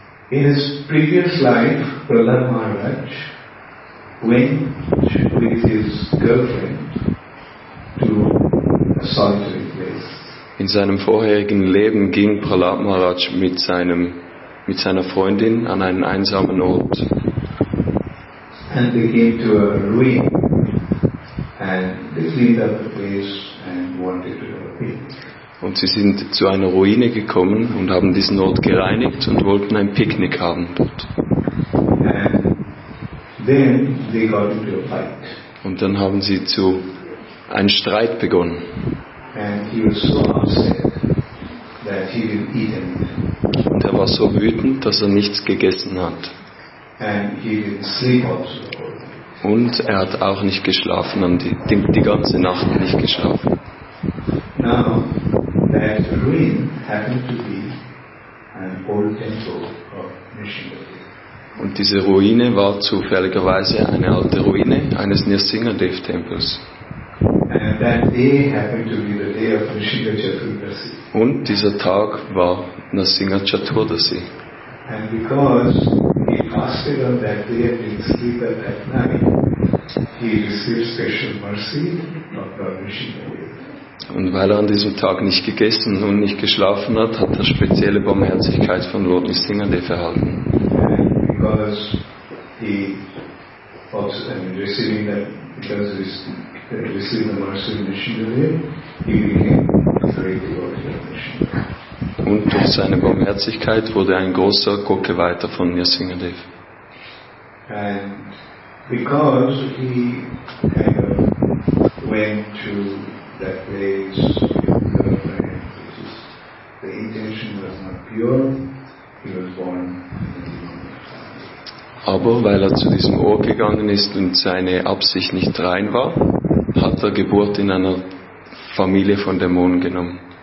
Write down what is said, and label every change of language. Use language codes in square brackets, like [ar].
[en] In his previous life, Prahlad Maharaj went with his girlfriend to a solitary place. [de] In seinem vorherigen Leben ging Prahlad Maharaj mit seiner Freundin an einen einsamen Ort. [en] And they came to a ruin and they cleaned up the place and wanted to go in. [de] Und sie sind zu einer Ruine gekommen und haben diesen Ort gereinigt und wollten ein Picknick haben dort. [en] And then they got into a fight. [de] Und dann haben sie zu einem Streit begonnen. [en] And he was so upset that he didn't eat anything. [de] Und er war so wütend, dass er nichts gegessen hat. [en] And he didn't sleep also. [de] Und er hat auch nicht geschlafen, die ganze Nacht nicht geschlafen. [en] Now, that ruin happened to be an old temple of Nrsingadeva. [de] Und diese Ruine war zufälligerweise eine alte Ruine eines Nrsingadeva-Tempels. [en] And that day happened to be the day of Nrsingha Chaturdasi. [de] Und dieser Tag war Nrsingha Chaturdasi. [en] And because he fasted on that day and didn't sleep at that night, he received special mercy from God Nrsingha. [de] Und weil er an diesem Tag nicht gegessen und nicht geschlafen hat, hat er spezielle Barmherzigkeit von Lord Nrsingadeva erhalten. [en] And because he was receiving that, because he's receiving the mercy of Nrsingadeva, he became a great devotee of Nrsingadeva. [de] Und durch seine Barmherzigkeit wurde ein großer Gottgeweihter von Nrsingadeva. [en] And because he kind of went to that place with his girlfriend, which is, the intention was not pure, he was born. [de] Aber weil er zu diesem Ort gegangen ist und seine Absicht nicht rein war, hat er Geburt in einer Familie von Dämonen genommen.